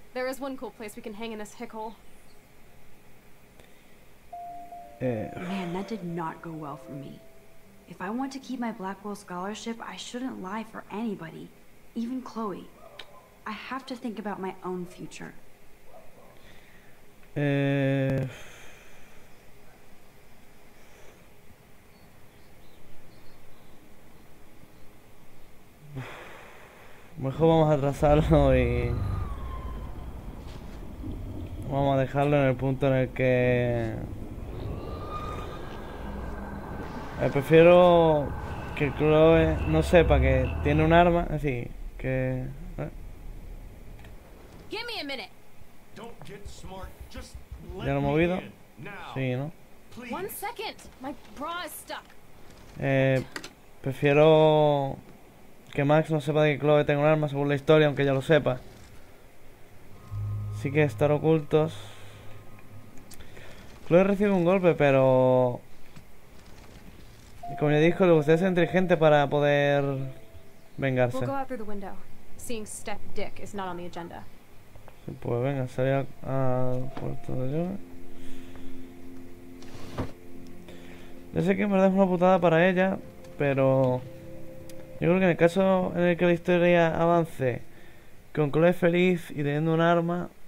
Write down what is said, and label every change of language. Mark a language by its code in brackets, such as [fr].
[en] There is one cool place we can hang in this hick hole. Man, that did not go well for me. If I want to keep my Blackwell scholarship, I shouldn't lie for anybody, even Chloe. I have to think about my own future. [es] Mejor vamos a trazarlo y vamos a dejarlo en el punto en el que. Prefiero que Chloe no sepa que tiene un arma, así que. [en] Give me a minute. Don't get smart. Just [es] ya lo he movido. Sí, ¿no? [en] One second. My bra is stuck. [es] Prefiero que Max no sepa de que Chloe tenga un arma según la historia, aunque ya lo sepa. Así que estar ocultos. Chloe recibe un golpe, pero. Como ya dijo, le gustaría ser inteligente para poder vengarse. [en] We'll go out through the window. Seeing Step Dick is not on the agenda. [es] Sí, pues venga, salir al puerto de lluvia. Yo sé que en verdad es una putada para ella, pero yo creo que en el caso en el que la historia avance, con Chloe feliz y teniendo un arma,